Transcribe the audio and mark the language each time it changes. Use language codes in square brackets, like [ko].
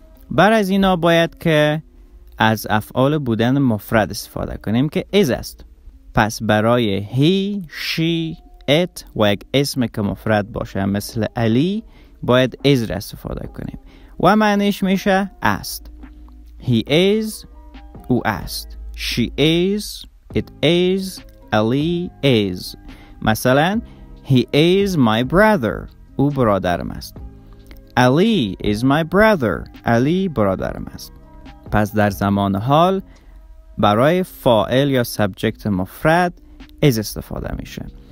[fa] بر از اینا باید که از افعال بودن مفرد استفاده کنیم که is است. پس برای he, she, it و یک اسم که مفرد باشه مثل علی باید is را استفاده کنیم و معنیش میشه است. [en] He is، [fa] او است. [en] She is، it is، علی is. مثلا He is my brother، [fa] او برادرم است. [en] علی is my brother، [fa] علی برادرم است. پس در زمان حال برای فاعل یا سبجکت مفرد is استفاده میشه.